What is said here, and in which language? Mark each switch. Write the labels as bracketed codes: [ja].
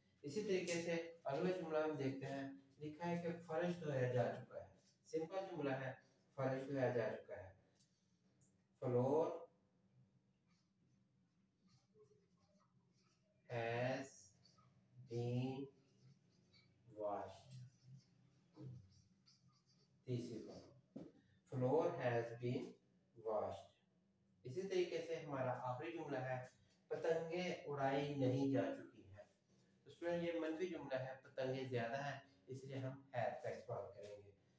[hi] इसी तरीके से अगला जुमला हम देखते हैं, लिखा है कि फर्श धोया जा चुका है, सिंपल जुमला है, फर्श धोया जा चुका है, [en] Floor has been washed. [hi] तीसरी बार [en] Floor has been washed. [hi] इसी तरीके से हमारा आखिरी जुमला है, पतंगे उड़ाई नहीं जा चुकी है। स्टूडेंट ये मनफी जुमला है, पतंगे ज्यादा है, इसलिए हम हैव का इस्तेमाल करेंगे।